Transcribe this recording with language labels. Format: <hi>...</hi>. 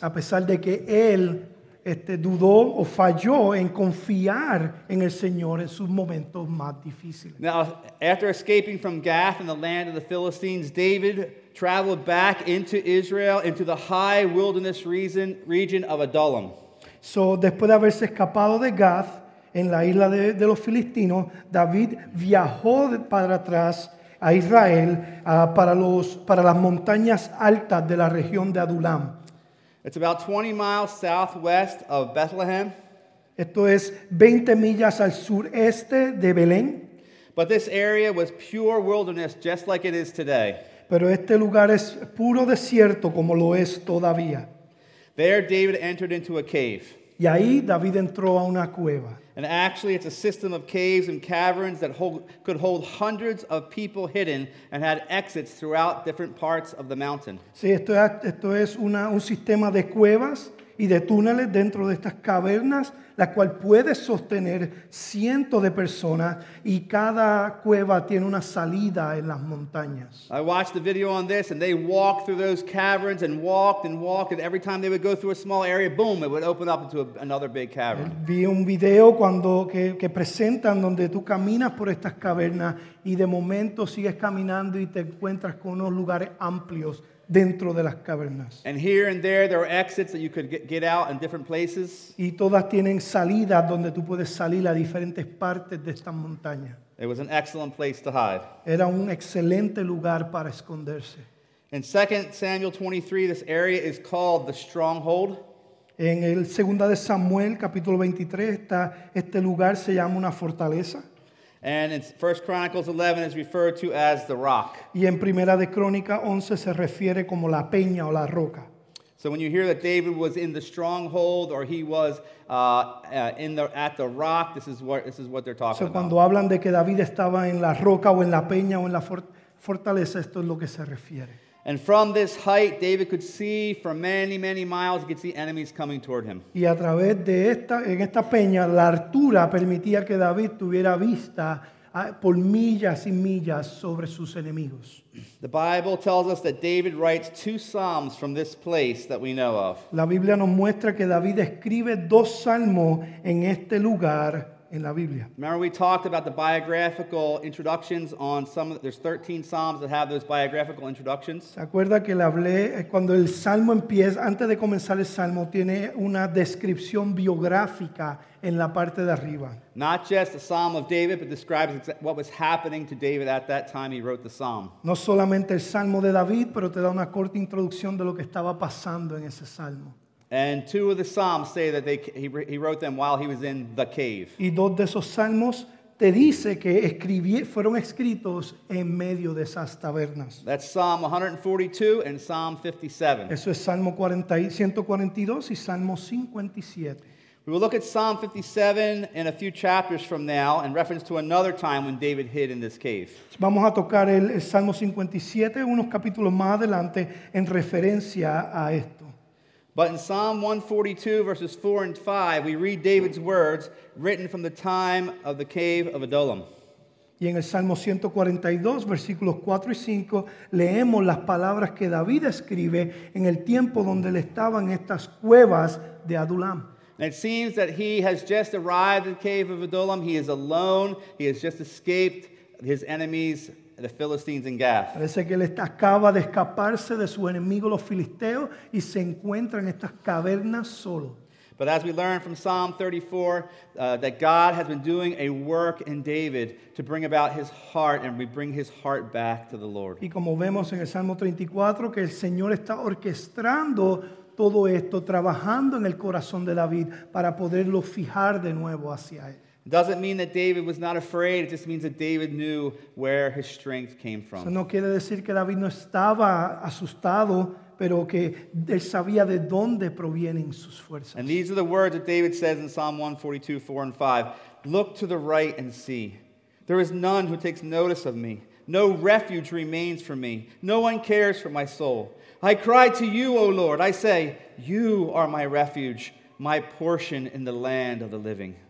<es>A pesar de que él dudó o falló en confiar en el Señor en sus momentos más difíciles.</es> <en>Now, after escaping from Gath in the land of the Philistines, David traveled back into Israel, into the high wilderness region of Adullam.</en> <es>So, después de haberse escapado de Gath, en la isla de los Filistinos, David viajó para atrás a Israel, para las montañas altas de la región de Adullam.</es> <en>It's about 20 miles southwest of Bethlehem.</en> <es>Esto es 20 millas al sureste de Belén.</es> <en>But this area was pure wilderness, just like it is today.</en> <es>Pero este lugar es puro desierto como lo es todavía.</es> <en>There David entered into a cave.</en> <es>Y ahí David entró a una cueva.</es> <en>And actually it's a system of caves and caverns that could hold hundreds of people hidden and had exits throughout different parts of the mountain.</en> <es>Sí, esto es un sistema de cuevas y de túneles dentro de estas cavernas, la cual puede sostener cientos de personas, y cada cueva tiene una salida en las montañas.</es> <en>I watched the video on this, and they walked through those caverns and walked, and every time they would go through a small area, boom, it would open up into another big cavern.</en> <es>Vi un video que presentan donde tú caminas por estas cavernas y de momento sigues caminando y te encuentras con unos lugares amplios dentro de las cavernas.</es> <en>And here and there are exits that you could get out in different places.</en> <es>Y todas tienen salidas donde tú puedes salir a diferentes partes de estas montañas.</es> <en>It was an excellent place to hide.</en> <es>Era un excelente lugar para esconderse.</es> <en>In 2 Samuel 23, this area is called the stronghold.</en> <es>En el 2 de Samuel capítulo 23 este lugar se llama una fortaleza.</es> <en>And in 1 Chronicles 11 is referred to as the rock.</en> <es>Y en Primera de Crónicas 11 se refiere como la peña o la roca.</es> <en>So when you hear that David was in the stronghold or he was at the rock, this is what they're talking about.</en> <es>So cuando hablan de que David estaba en la roca o en la peña o en la fortaleza, esto es lo que se refiere.</es> <en>And from this height, David could see for many, many miles. He could see enemies coming toward him.</en> <es>Y a través de esta, en esta peña, la altura permitía que David tuviera vista por millas y millas sobre sus enemigos.</es> <en>The Bible tells us that David writes two psalms from this place that we know of.</en> <es>La Biblia nos muestra que David escribe dos salmos en este lugar. En la Biblia.</es> <en>Remember we talked about the biographical introductions on some. There's 13 psalms that have those biographical introductions.</en> <es>¿Se acuerda que le hablé cuando el salmo empieza, antes de comenzar el salmo, tiene una descripción biográfica en la parte de arriba?</es> <en>Not just the Psalm of David, but describes what was happening to David at that time he wrote the psalm.</en> <es>No solamente el salmo de David, pero te da una corta introducción de lo que estaba pasando en ese salmo.</es> <en>And two of the psalms say that he wrote them while he was in the cave.</en> <es>Y dos de esos salmos te dice que fueron escritos en medio de esas tabernas.</es> <en>That's Psalm 142 and Psalm 57.</en> <es>Eso es Salmo 142 y Salmo 57.</es> <en>We will look at Psalm 57 in a few chapters from now in reference to another time when David hid in this cave.</en> <es>Vamos a tocar el Salmo 57 unos capítulos más adelante en referencia a esto.</es> <en>But in Psalm 142, verses 4 and 5, we read David's words written from the time of the cave of Adullam.</en> <es>Y en el Salmo 142, versículos 4 y 5, leemos las palabras que David escribe en el tiempo donde él estaba en estas cuevas de Adullam.</es> <en>And it seems that he has just arrived at the cave of Adullam. He is alone. He has just escaped his enemies, the Philistines and Gath.</en> <es>Parece que él acaba de escaparse de su enemigo los filisteos y se encuentra en estas cavernas solo.</es> <en>But as we learn from Psalm 34, that God has been doing a work in David to bring about his heart and bring his heart back to the Lord.</en> <es>Y como vemos en el Salmo 34 que el Señor está orquestando todo esto, trabajando en el corazón de David para poderlo fijar de nuevo hacia él.</es> <en>Doesn't mean that David was not afraid. It just means that David knew where his strength came from.</en> <es>Eso no quiere decir que David no estaba asustado, pero que él sabía de dónde provienen sus fuerzas.</es> <en>And these are the words that David says in Psalm 142, 4 and 5. Look to the right and see. There is none who takes notice of me. No refuge remains for me. No one cares for my soul. I cry to you, O Lord. I say, you are my refuge, my portion in the land of the living.</en>